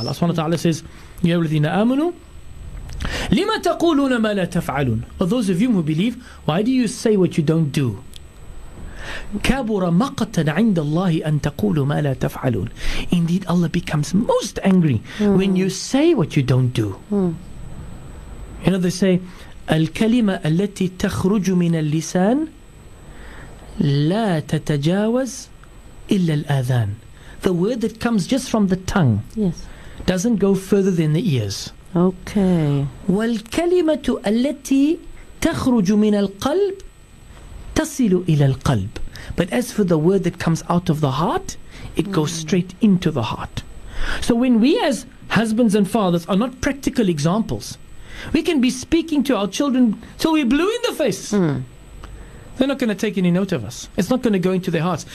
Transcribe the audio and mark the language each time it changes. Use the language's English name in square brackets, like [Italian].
[English] Allah subhanahu wa ta'ala says, [Arabic] يَا الَّذِينَ آمَنُوا لِمَا تَقُولُونَ مَا لَا تَفْعَلُونَ. [English] Or those of you who believe, why do you say what you don't do? [Arabic] كَبُرَ مَقَتًا عِنْدَ اللَّهِ أَن تَقُولُوا مَا لَا تَفْعَلُونَ. [English] Indeed, Allah becomes most angry when you say what you don't do. You know, they say, [Arabic] الكلمة التي تخرج من اللسان لا تتجاوز إلا الأذان. [English] The word that comes just from the tongue doesn't go further than the ears. Okay. [Arabic] والكلمة التي تخرج من القلب تصل إلى القلب. [English] But as for the word that comes out of the heart, it goes straight into the heart. So when we as husbands and fathers are not practical examples, we can be speaking to our children till we're blue in the face. They're not going to take any note of us. It's not going to go into their hearts.